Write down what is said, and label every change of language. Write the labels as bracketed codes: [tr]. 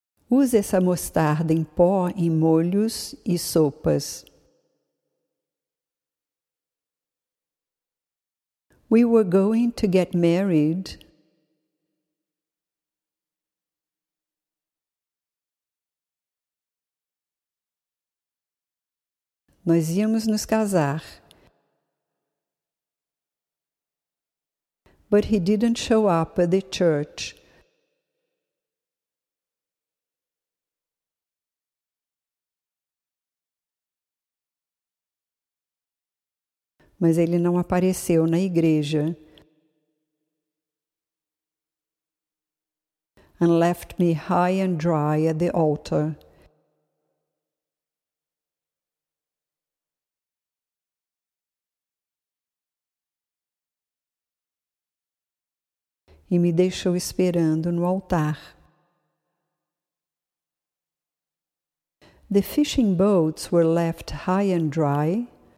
[pt] Use essa mostarda em pó em molhos e sopas. [en] We were going to get married. [pt] Nós íamos nos casar. [en] but he didn't show up at the church. [pt] Mas ele não apareceu na igreja. [en] And left me high and dry at the altar. [pt] E me deixou esperando no altar. [en] The fishing boats were left high and dry.